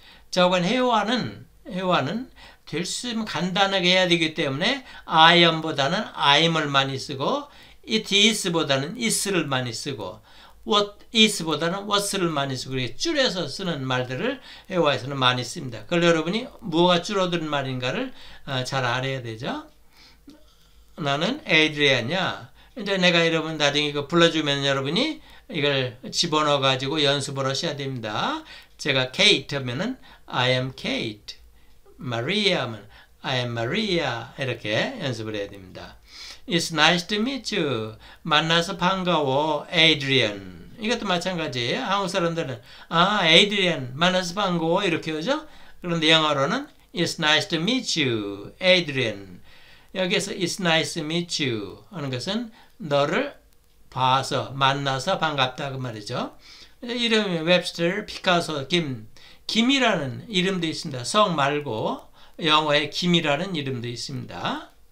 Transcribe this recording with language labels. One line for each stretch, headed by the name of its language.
Korean: 자, 그건 회화는 될수 있으면 간단하게 해야 되기 때문에 I am보다는 I'm을 많이 쓰고, it is보다는 is를 많이 쓰고, what is보다는 what's를 많이 쓰고, 이렇게 줄여서 쓰는 말들을 회화에서는 많이 씁니다. 그걸 여러분이 뭐가 줄어드는 말인가를 잘 알아야 되죠. 나는 에이드리안이야. 이제 내가 여러분 나중에 이거 불러주면 여러분이 이걸 집어넣어 가지고 연습을 하셔야 됩니다. 제가 Kate 하면은
English: I am Kate,
Korean: Maria 하면
English: I am Maria
Korean: 이렇게 연습을 해야 됩니다.
English: It's nice to meet you.
Korean: 만나서 반가워, Adrian. 이것도 마찬가지예요. 한국 사람들은 Adrian 만나서 반가워 이렇게 하죠. 그런데 영어로는
English: It's nice to meet you, Adrian.
Korean: 여기에서
English: It's nice to meet you
Korean: 하는 것은 너를 봐서 만나서 반갑다 그 말이죠. 이름이 웹스터, 피카소, 김이라는 이름도 있습니다. 성 말고 영어에 김이라는 이름도 있습니다.